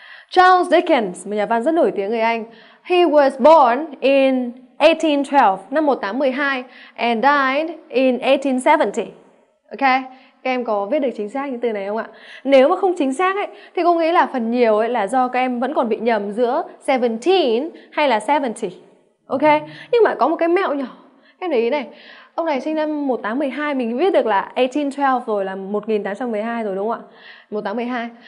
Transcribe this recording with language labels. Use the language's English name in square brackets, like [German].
[Vietnamese] Charles Dickens, một nhà văn rất nổi tiếng người Anh. [English] He was born in 1812, [Vietnamese] năm 1812, [English] and died in 1870. Okay? [Vietnamese] Các em có viết được chính xác những từ này không ạ? Nếu mà không chính xác ấy, thì cô nghĩ là phần nhiều ấy là do các em vẫn còn bị nhầm giữa 17 hay là 70. Ok, nhưng mà có một cái mẹo nhỏ. Em để ý này, ông này sinh năm 1812, mình biết được là 1812 rồi, là 1812 rồi đúng không ạ? 1812.